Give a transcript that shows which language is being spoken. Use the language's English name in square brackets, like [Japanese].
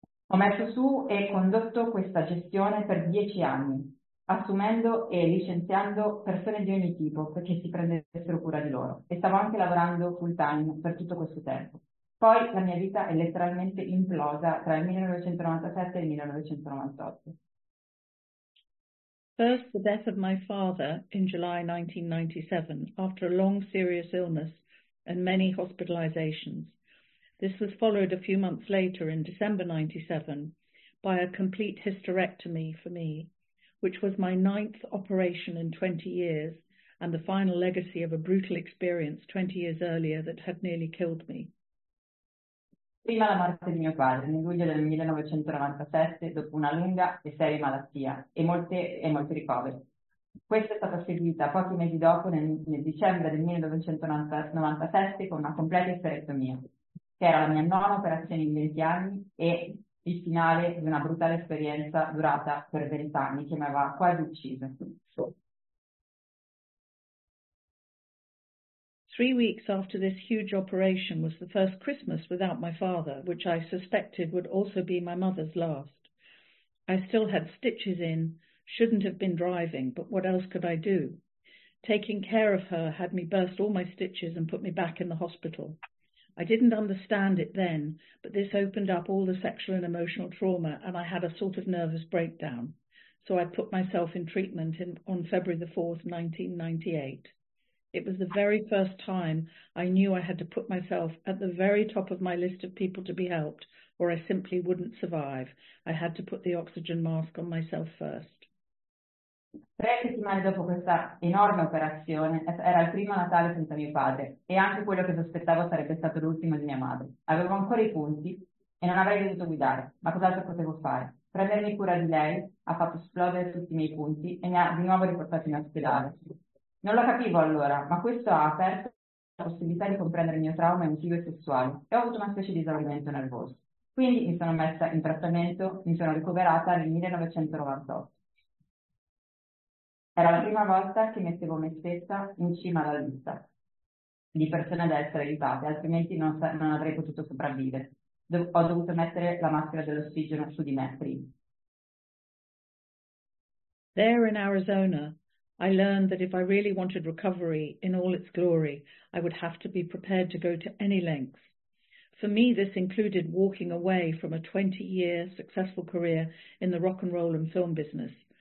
[Italian] Ho messo su e condotto questa gestione per 10 anni, assumendo e licenziando persone di ogni tipo perché si prendessero cura di loro. E stavo anche lavorando full time per tutto questo tempo. Poi la mia vita è letteralmente implosa tra il 1997 e il 1998. [English] First, the death of my father in July 1997, after a long serious illness and many hospitalizations. This was followed a few months later in December 97 by a complete hysterectomy for me, which was my ninth operation in 20 years and the final legacy of a brutal experience 20 years earlier that had nearly killed me. [Italian] Prima la morte di mio padre, nel luglio del 1997, dopo una lunga e seria malattia e molti ricoveri. Questa è stata seguita pochi mesi dopo, nel dicembre del 1997, con una completa isterectomia, che era la mia nona operazione in 20 anni e il finale di una brutale esperienza durata per 20 anni, che mi aveva quasi ucciso. [English] 3 weeks after this huge operation was the first Christmas without my father, which I suspected would also be my mother's last. I still had stitches in, shouldn't have been driving, but what else could I do? Taking care of her had me burst all my stitches and put me back in the hospital. I didn't understand it then, but this opened up all the sexual and emotional trauma, and I had a sort of nervous breakdown. So I put myself in treatment on February the 4th, 1998. It was the very first time I knew I had to put myself at the very top of my list of people to be helped, or I simply wouldn't survive. I had to put the oxygen mask on myself first. [Italian] 3 settimane dopo questa enorme operazione, era il primo Natale senza mio padre, e anche quello che sospettavo sarebbe stato l'ultimo di mia madre. Avevo ancora i punti e non avrei dovuto guidare, ma cos'altro potevo fare? Prendermi cura di lei ha fatto esplodere tutti i miei punti e mi ha di nuovo riportato in ospedale. Non lo capivo allora, ma questo ha aperto la possibilità di comprendere il mio trauma emotivo e sessuale e ho avuto una specie di esaurimento nervoso. Quindi mi sono messa in trattamento, mi sono ricoverata nel 1998. Era la prima volta che mettevo me stessa in cima alla lista di persone da essere aiutate, altrimenti non avrei potuto sopravvivere. Ho dovuto mettere la maschera dell'ossigeno su di me prima. [English] There in Arizona, I learned that if I really wanted recovery in all its glory, I would have to be prepared to go to any lengths. For me, this included walking away from a 20-year successful career in the rock and roll and film business.